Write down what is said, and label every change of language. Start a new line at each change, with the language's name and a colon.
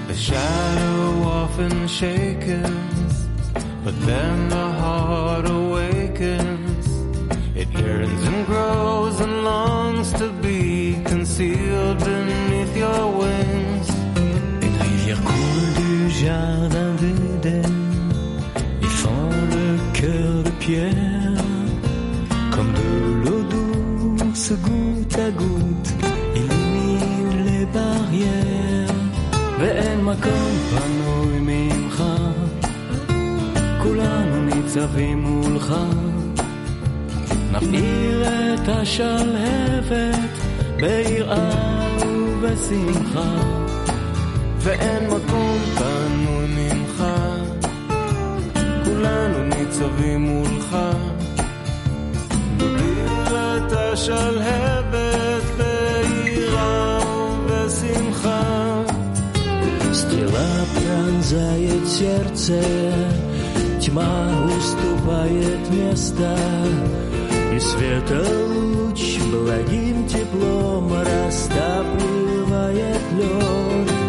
English: Shadow often shakens, but then the heart awakens. It yearns and grows and longs to be concealed beneath your wings.
French: Une rivière coule du jardin d'Eden, y fend le cœur de pierre. Comme de l'eau douce, goutte à goutte, illumine les barrières.
Hebrew: ואין מקום פנוי ממך, כולנו ניצבים מולך. נפעיר את השלהבת ביראה ובשמחה. ואין מקום פנוי ממך, כולנו ניצבים מולך. נפעיר את השלהבת ביראה ובשמחה.
Russian: Стрела пронзает сердце, тьма уступает место, и светолуч благим теплом растапливает лед.